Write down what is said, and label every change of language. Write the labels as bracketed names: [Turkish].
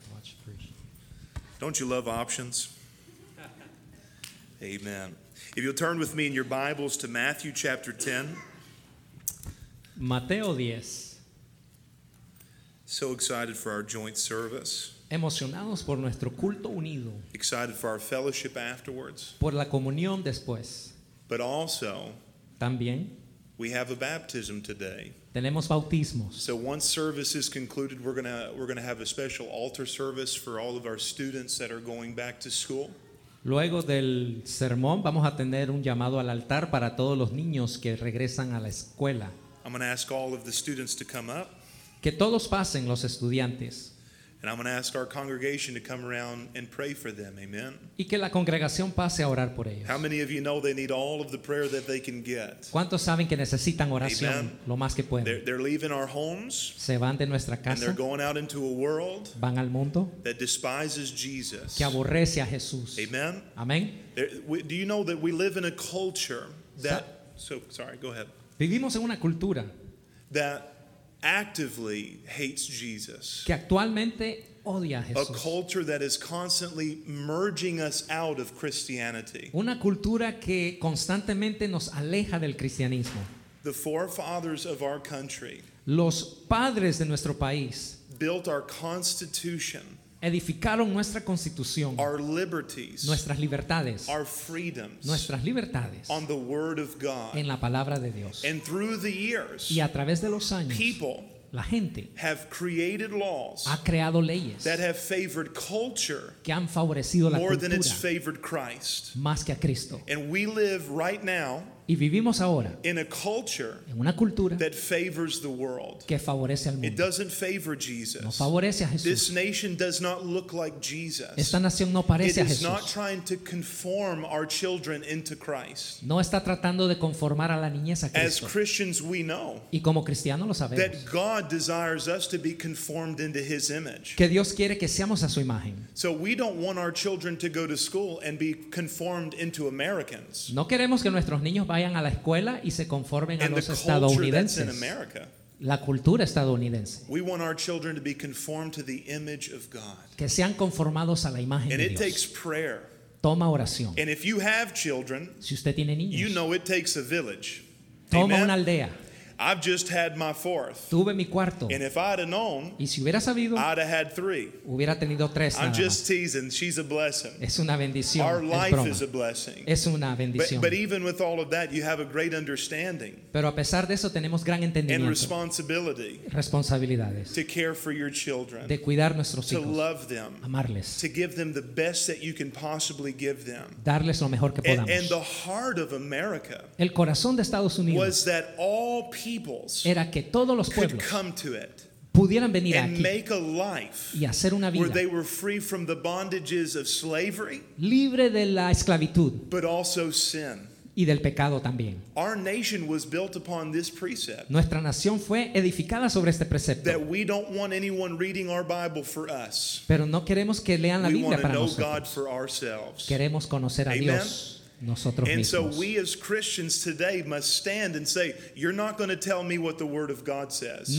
[English] Much appreciated. Don't you love options? Amen. If you'll turn with me in your Bibles to Matthew chapter 10. [Spanish] Mateo 10. [English] So excited for our joint service. [Spanish] Emocionados por nuestro culto unido. [English] Excited for our fellowship afterwards. [Spanish] Por la comunión después. [English] But also, [Spanish] también, [English] we have a baptism today. [Spanish] Tenemos bautismos. [English] So once service is concluded, we're gonna have a special altar service for all of our students that are going back to school. [Spanish] Luego del sermón, vamos a tener un llamado al altar para todos los niños que regresan a la escuela. [English] I'm gonna ask all of the students to come up. [Spanish] Que todos pasen, los estudiantes. [English] And I'm going to ask our congregation to come around and pray for them. Amen. [Spanish] Y que la congregación pase a orar por ellos. [English] How many of you know they need all of the prayer that they can get? [Spanish] ¿Cuántos saben que necesitan oración? Amen. Lo más que pueden. [English] They're leaving our homes. [Spanish] Se van de nuestra casa. [English] And they're going out into a world. [Spanish] Van al mundo. [English] That despises Jesus. [Spanish] Que aborrece a Jesús. Amen. Amen. [English] Do you know that we live in a culture that? Go ahead. [Spanish] Vivimos en una cultura [English] that actively hates Jesus. [Spanish] Que actualmente odia a Jesús. [English] A culture that is constantly merging us out of Christianity. [Spanish] Una cultura que constantemente nos aleja del cristianismo. [English] The forefathers of our country. [Spanish] Los padres de nuestro país. [English] Built our constitution. [Spanish] Edificaron nuestra constitución. [English] Our liberties. [Spanish] Nuestras libertades. [English] Our freedoms. [Spanish] Nuestras libertades. [English] On the word of God. [Spanish] En la palabra de Dios. [English] And through the years. [Spanish] Y a través de los años. [English] People. [Spanish] La gente. [English] Have created laws. [Spanish] Ha creado leyes. [English] That have favored culture. [Spanish] Que han favorecido la cultura. [English] More than it's favored Christ. [Spanish] Más que a Cristo. [English] And we live right now. [Spanish] Y vivimos ahora [English] in a culture, [Spanish] en una cultura [English] that favors the world, [Spanish] que favorece al mundo. [English] It doesn't favor Jesus. [Spanish] No favorece a Jesús. [English] This nation does not look like Jesus. [Spanish] Esta nación no parece a Jesús. [English] It is not trying to conform our children into Christ. [Spanish] No está tratando de conformar a la niñez a Cristo. [English] As Christians, we know, [Spanish] y como cristianos lo sabemos, [English] that God desires us to be conformed into His image. [Spanish] Que Dios quiere que seamos a su imagen. [English] So we don't want our children to go to school and be conformed into Americans. [Spanish] No queremos que nuestros niños vayan a la escuela y se conformen a los estadounidenses. La cultura estadounidense. [English] We want our children to be conformed to the image of God. [Spanish] Que sean conformados a la imagen [English] and [Spanish] de Dios. [English] It takes prayer. [Spanish] Toma oración. [English] And if you have children, [Spanish] si usted tiene niños, [English] you know it takes a village. [Spanish] Toma Amen. Una aldea. [English] I've just had my fourth. [Spanish] Tuve mi cuarto. [English] And if I'd have known, [Spanish] y si hubiera sabido, [English] I'd have had three. [Spanish] Hubiera tenido tres. [English] I'm just teasing. She's a blessing. [Spanish] Es una bendición. [English] Our life [Spanish] es broma. [English] Is a blessing. [Spanish] Es una bendición. [English] But even with all of that, you have a great understanding. [Spanish] Pero a pesar de eso, tenemos gran entendimiento. [English] And responsibility. [Spanish] Responsabilidades. [English] To care for your children. [Spanish] De cuidar nuestros hijos. [English] To love them. [Spanish] Amarles. [English] To give them the best that you can possibly give them. [Spanish] Darles lo mejor que podamos. [English] And the heart of America. [Spanish] El corazón de Estados Unidos. [English] Was that all [Spanish] era que todos los pueblos [English] come to it [Spanish] pudieran venir [English] and [Spanish] aquí [English] make a life [Spanish] y hacer una vida [English] where they were free from the bondages of slavery, [Spanish] libre de la esclavitud [English] but also sin. [Spanish] Y del pecado también. [English] Our nation was built upon this precept, [Spanish] nuestra nación fue edificada sobre este precepto [English] that we don't want anyone reading our Bible for us. [Spanish] Pero no queremos que lean la [English] we [Spanish] Biblia para [English] know [Spanish] nosotros [English] God for ourselves. [Spanish] Queremos conocer a Amen. Dios nosotros [English] and [Spanish] mismos. [English] So we as Christians today must stand and say, "You're not going to tell me what the Word of God says."